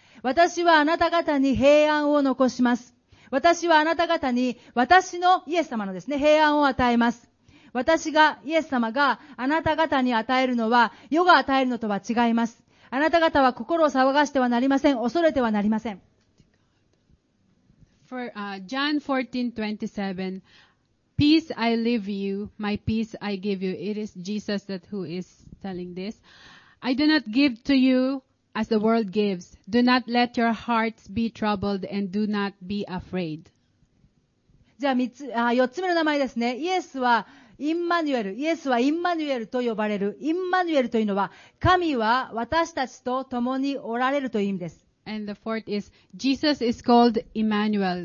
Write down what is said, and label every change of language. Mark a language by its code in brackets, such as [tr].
[ja] 私はあなた方に平安を残します。私はあなた方に私のイエス様のですね、平安を与えます。私がイエス様があなた方に与えるのは、世が与えるのとは違います。あなた方は心を騒がしてはなりません。恐れてはなりません。 [en] For, John 14:27, Peace I leave you, my peace I give you. It is Jesus that who is telling this. I do not give to you as the world gives. Do not let your hearts be troubled and do not be afraid. [ja] じゃあ四つ目の名前ですね。イエスはインマニュエル。イエスはインマニュエルと呼ばれる。インマニュエルというのは、神は私たちと共におられるという意味です。 [en] And the fourth is, Jesus is called Emmanuel.